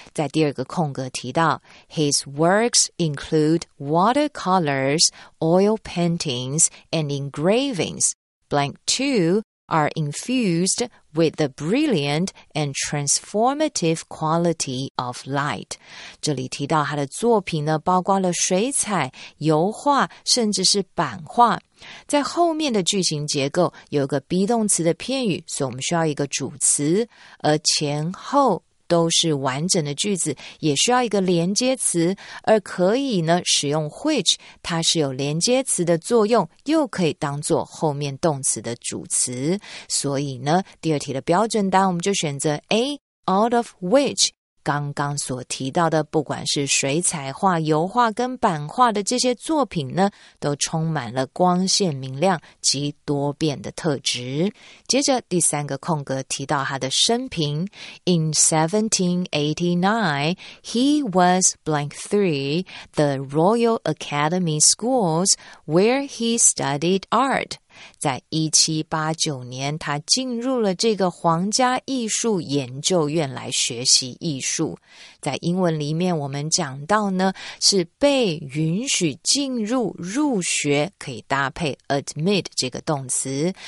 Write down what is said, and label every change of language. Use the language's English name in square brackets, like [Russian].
[Chinese] 在第二个空格提到 [English] ，His works include watercolors, oil paintings, and engravings. Blank two are infused with the brilliant and transformative quality of light. [Chinese] 这里提到他的作品呢，包括了水彩、油画，甚至是版画。在后面的句型结构有个 be 动词的片语，所以我们需要一个主词，而前后都是完整的句子，也需要一个连接词，而可以呢使用 which， 它是有连接词的作用，又可以当作后面动词的主词。所以呢，第二题的标准答案我们就选择 A， [English] out of which。 [Chinese] 刚刚所提到的，不管是水彩画、油画跟版画的这些作品呢，都充满了光线明亮及多变的特质。接着第三个空格提到他的生平 [English] ，In 1789, he was blank three the Royal Academy Schools where he studied art. [Chinese] 在1789年，他进入了这个皇家艺术研究院来学习艺术。在英文里面，我们讲到呢，是被允许进入、入学，可以搭配 admit 这个动词。